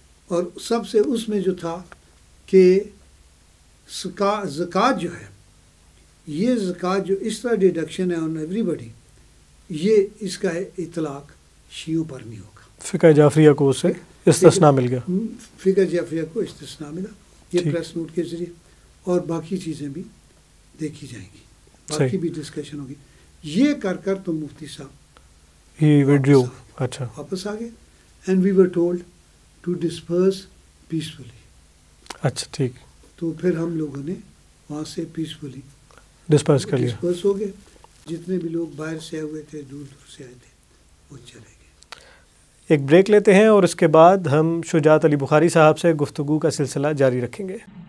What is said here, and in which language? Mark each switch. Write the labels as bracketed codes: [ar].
[ur] اور سب سے اس میں جو تھا کہ زکات جو ہے, یہ زکوٰۃ جو اس طرح ڈیڈکشن ہے [en] on everybody, [ur] یہ اس کا اطلاق شیعوں پر نہیں ہوگا. فقہ جعفریہ کو اسے استثناء مل گیا. فقہ جعفریہ کو استثناء ملا یہ پریس نوٹ کے ذریعے. اور باقی چیزیں بھی دیکھی جائیں گی, باقی بھی ڈسکشن ہوگی. یہ کر کر تو مفتی صاحب ہی ویڈیو واپس آ گئے. [en] And we were told to disperse peacefully. [ur] اچھا ٹھیک. تو پھر ہم لوگوں نے وہاں سے پیسفلی ڈسپرس کر لیا. ڈسپرس ہو گئے. جتنے بھی لوگ باہر سے آئے ہوئے تھے, دور دور سے آئے تھے, وہ چلے گئے. ایک بریک لیتے ہیں اور اس کے بعد ہم شجاعت علی بخاری صاحب سے گفتگو کا سلسلہ جاری رکھیں گے.